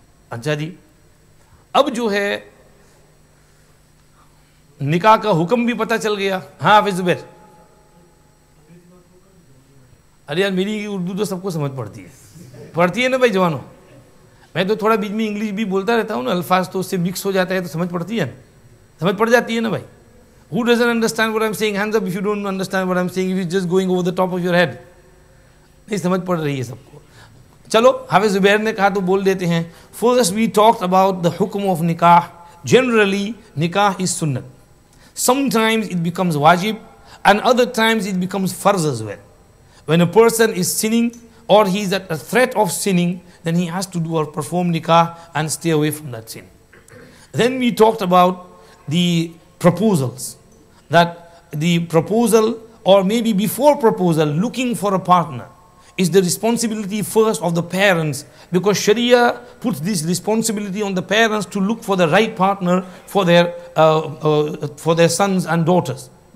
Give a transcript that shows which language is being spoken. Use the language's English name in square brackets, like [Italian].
[Urdu] اچھا جی, اب جو ہے نکاح کا حکم بھی پتہ چل گیا. ہاں حافظ زبیر, ارے یار میری اردو تو سب کو سمجھ پڑتی ہے, پڑھتی ہے نا بھائی جوانوں, میں تو تھوڑا بیچ میں انگلش بھی بولتا رہتا ہوں نا, الفاظ تو اس سے مکس ہو جاتا ہے تو سمجھ پڑتی ہے نا, سمجھ پڑ جاتی ہے نا بھائی. [English] Who doesn't understand what I'm saying? Hands up if you don't understand what I'm saying, if it's just going over the top of your head. [Urdu] نہیں سمجھ پڑ رہی ہے سب کو. چلو حافظ زبیر نے کہا تو بول دیتے ہیں. [English] First we talked about the حکم of نکاح. Generally نکاح is سنت. Sometimes it becomes واجب and other times it becomes فرض as well. When a person is sinning or he is at a threat of sinning, then he has to do or perform nikah and stay away from that sin. Then we talked about the proposals, that the proposal or maybe before proposal, looking for a partner is the responsibility first of the parents, because Sharia puts this responsibility on the parents to look for the right partner for their sons and daughters.